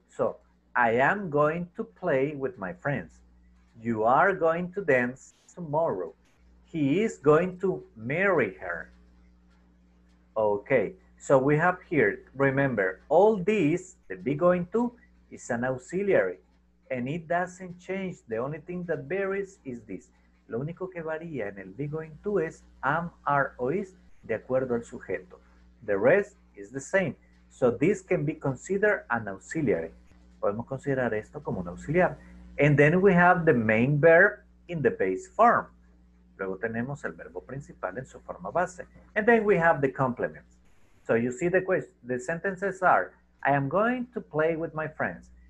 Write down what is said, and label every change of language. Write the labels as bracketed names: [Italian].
[English] So I am going to play with my friends. You are going to dance tomorrow. He is going to marry her. Okay, so we have here, remember, all these, the be going to, is an auxiliary. And it doesn't change. The only thing that varies is this. [Spanish] Lo único que varía en el be going to es am, are, o is, de acuerdo al sujeto. [English] The rest is the same. So this can be considered an auxiliary. [Spanish] Podemos considerar esto como un auxiliar. [English] And then we have the main verb in the base form. [Spanish] Luego tenemos el verbo principal en su forma base. [English] And then we have the complements. So you see the question. The sentences are, I am going to play with my friends.